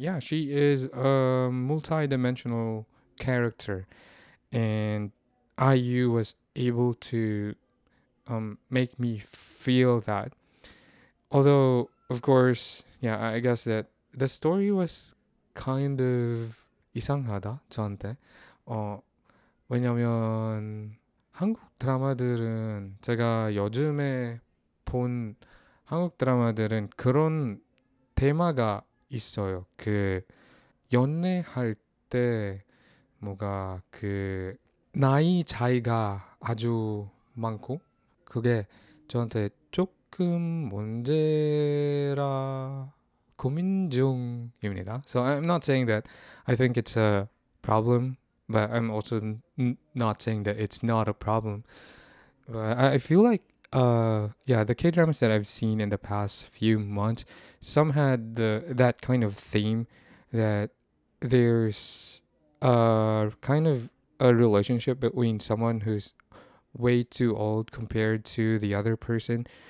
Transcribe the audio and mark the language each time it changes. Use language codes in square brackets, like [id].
[en] Yeah, she is a multi-dimensional character, and IU was able to make me feel that. Although, of course, yeah, I guess that the story was kind of [ko] 이상하다 저한테. 왜냐면 한국 드라마들은 제가 요즘에 본 한국 드라마들은 그런 테마가 있어요. 그 연애할 때 뭐가 그 나이 차이가 아주 많고 그게 저한테 조금 문제라 고민 중입니다. [en] So I'm not saying that I think it's a problem, but I'm also not saying that it's not a problem. But I feel like yeah, the K-dramas that I've seen in the past few months, some had that kind of theme that there's kind of a relationship between someone who's way too old compared to the other person.